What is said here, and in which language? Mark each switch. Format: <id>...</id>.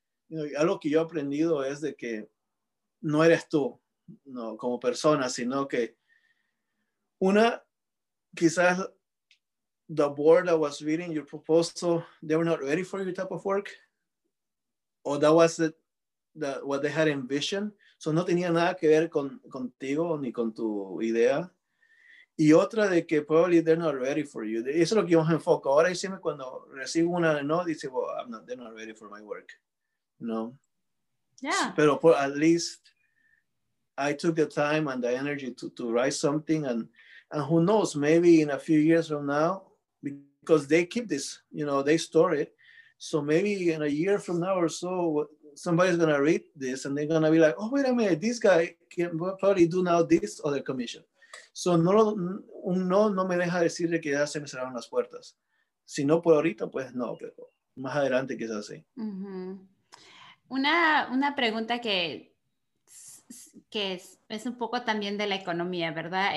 <en>You know,</en> <es>algo que yo he aprendido es de que no eres tú, no, como persona, sino que una, quizás</es> <en>the board that was reading your proposal, they were not ready for your type of work, or that was what they had envisioned.</en> <es>So no tenía nada que ver contigo ni con tu idea. Y otra de que</es> <en>probably they're not ready for you.</en> <es>Eso es lo que yo me enfoco. Ahora siempre cuando recibo una no, dice,</es> <en>well, they're not ready for my work.</en> <es>No.</es> <en>Yeah. Pero at least I took the time and the energy to write something. And who knows, maybe in a few years from now, because they keep this, you know, they store it. So maybe in a year from now or so, somebody's going to read this and they're going to be like, oh, wait a minute, this guy can probably do now this other commission.</en> <es>So no me deja decir que ya se me cerraron las puertas. Si no por ahorita, pues no, pero más adelante quizás sí. Uh-huh. Una pregunta que es un poco también de la economía, ¿verdad?</es>